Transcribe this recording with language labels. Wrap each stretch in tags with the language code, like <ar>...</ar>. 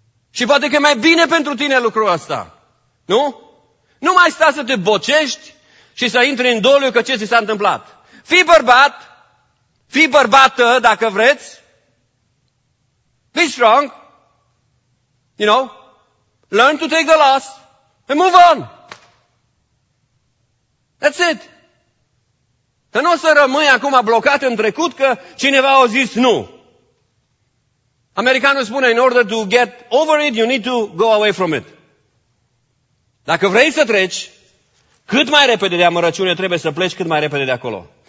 <ro>Și poate că e mai bine pentru tine lucrul ăsta. Nu? Nu mai sta să te bocești și să intri în doliu că ce ți s-a întâmplat. Fii bărbat, fii bărbată dacă vreți.</ro> <en>Be strong. You know? Learn to take the loss and move on. That's it.</en> <ro>Că nu o să rămâi acum blocat în trecut că cineva a zis nu. Americanul spune,</ro> <en>in order to get over it, you need to go away from it.</en> <ro>Dacă vrei să treci, cât mai repede de amărăciune trebuie să pleci cât mai repede de acolo.</ro>